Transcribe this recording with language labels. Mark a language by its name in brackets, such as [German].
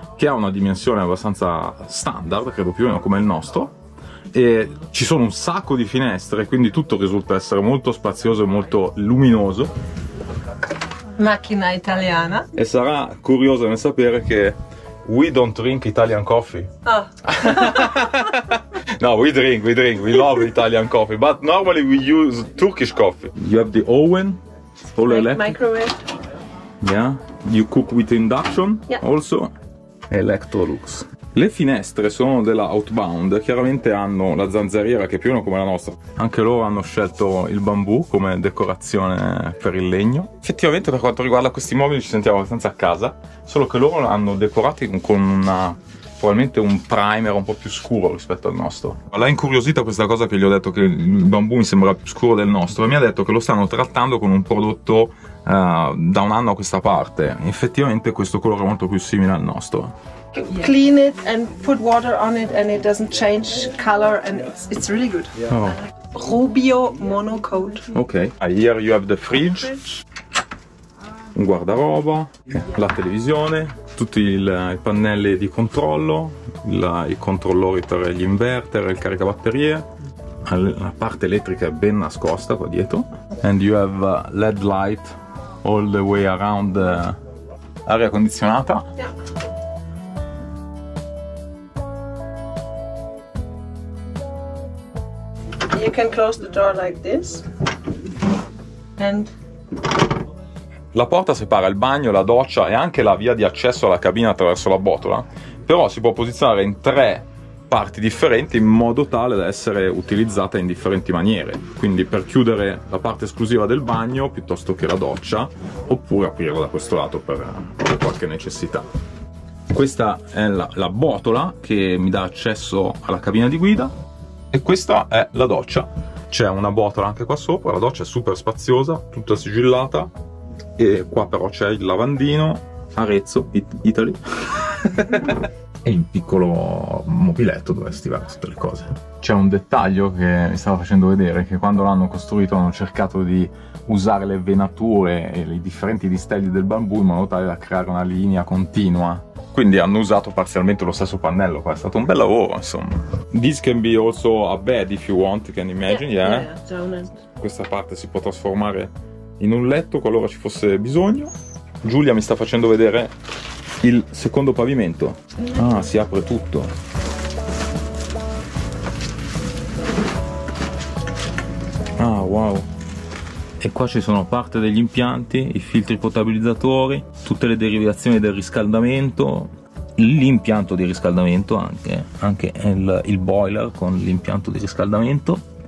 [Italian] che ha una dimensione abbastanza standard, credo più o meno come il nostro, e ci sono un sacco di finestre, quindi tutto risulta essere molto spazioso e molto luminoso. Macchina italiana. E sarà curioso nel sapere che [English] we don't drink Italian coffee. Oh. No, we drink, we love Italian coffee, but normally we use Turkish coffee. You have the oven, all electric. Microwave. Yeah, you cook with induction, yeah. Also Electrolux. [Italian] Le finestre sono della Outbound, chiaramente hanno la zanzariera che è più o meno come la nostra. Anche loro hanno scelto il bambù come decorazione per il legno. Effettivamente per quanto riguarda questi mobili ci sentiamo abbastanza a casa, solo che loro l'hanno decorati con una, probabilmente un primer un po' più scuro rispetto al nostro. L'ha incuriosita questa cosa che gli ho detto che il bambù mi sembra più scuro del nostro e mi ha detto che lo stanno trattando con un prodotto da un anno a questa parte. Effettivamente questo colore è molto più simile al nostro. [English] Clean it and put water on it and it doesn't change color and it's really good. Oh. Rubio monocoat. Okay. Here you have the fridge. [Italian] Un guardaroba, la televisione, tutti i pannelli di controllo, i controllori per gli inverter, il caricabatterie. La parte elettrica è ben nascosta qua dietro. [English] And you have LED light all the way around, [Italian] aria condizionata. [English] Yeah. You can close the door like this. And [Italian] la porta separa il bagno, la doccia e anche la via di accesso alla cabina attraverso la botola, però si può posizionare in tre parti differenti in modo tale da essere utilizzata in differenti maniere, quindi per chiudere la parte esclusiva del bagno piuttosto che la doccia, oppure aprirla da questo lato per qualche necessità. Questa è la botola che mi dà accesso alla cabina di guida e questa è la doccia. C'è una botola anche qua sopra, la doccia è super spaziosa, tutta sigillata. E qua però c'è il lavandino, Arezzo, Italy. E un piccolo mobiletto dove stivare tutte le cose. C'è un dettaglio che mi stava facendo vedere, che quando l'hanno costruito hanno cercato di usare le venature e i differenti distelli del bambù in modo tale da creare una linea continua. Quindi hanno usato parzialmente lo stesso pannello qua, è stato un bel lavoro, insomma. [English] This can be also a bed if you want, can imagine, yeah? Yeah, definitely. [Italian] Questa parte si può trasformare in un letto qualora ci fosse bisogno. Giulia mi sta facendo vedere il secondo pavimento. Ah, si apre tutto. Ah, wow. E qua ci sono parte degli impianti, i filtri potabilizzatori, tutte le derivazioni del riscaldamento, l'impianto di riscaldamento, anche il boiler con l'impianto di riscaldamento.